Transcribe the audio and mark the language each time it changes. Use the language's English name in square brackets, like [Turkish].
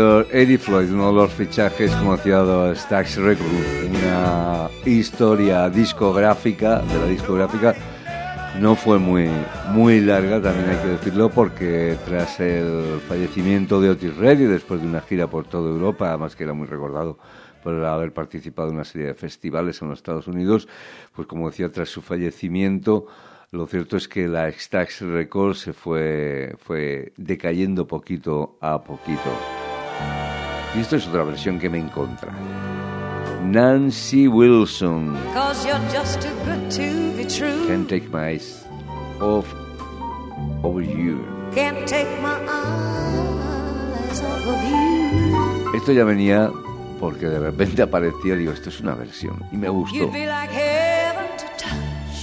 [Spanish] Eddie Floyd, uno de los fichajes como hacía Stax Records, una historia discográfica, de la discográfica, no fue muy, muy larga, también hay que decirlo, porque tras el fallecimiento de Otis Redding, después de una gira por toda Europa, además que era muy recordado por haber participado en una serie de festivales en los Estados Unidos, pues como decía, tras su fallecimiento, lo cierto es que la Stax Records se fue decayendo poquito a poquito. Y esto es otra versión que me encuentra. Nancy Wilson. [English] Cause you're just too good to be true. Can't take my eyes off of you. Can't take my eyes off of you. [Spanish] Esto ya venía porque de repente aparecía, digo, esto es una versión y me gustó. [English] You'd be like heaven to touch.